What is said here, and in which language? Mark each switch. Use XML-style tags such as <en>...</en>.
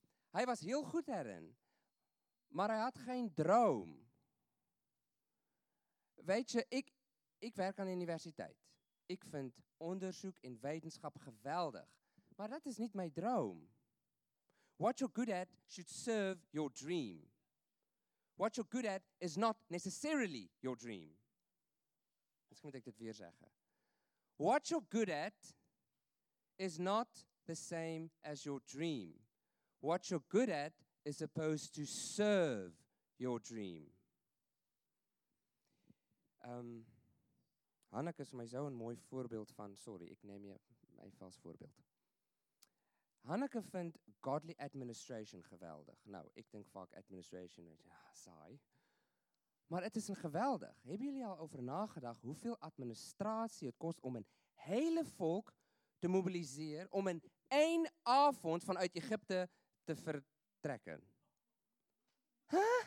<nl>Hij was heel goed erin, maar hij had geen droom. Weet je, ik werk aan de universiteit. Ik vind onderzoek en wetenschap geweldig, maar dat is niet mijn droom.</nl> <en>What you're good at should serve your dream. What you're good at is not necessarily your dream.</en> <nl>Misschien moet ik dit weer zeggen.</nl> <en>What you're good at is not the same as your dream. What you're good at is supposed to serve your dream.</en> <nl>Hanneke is mij zo'n mooi voorbeeld van, sorry, ik neem je even als voorbeeld. Hanneke vindt godly administration geweldig. Nou, ik denk vaak administration, ja, saai. Maar het is een geweldig. Hebben jullie al over nagedacht hoeveel administratie het kost om een hele volk te mobiliseren om in één avond vanuit Egypte te vertrekken. Huh?</nl>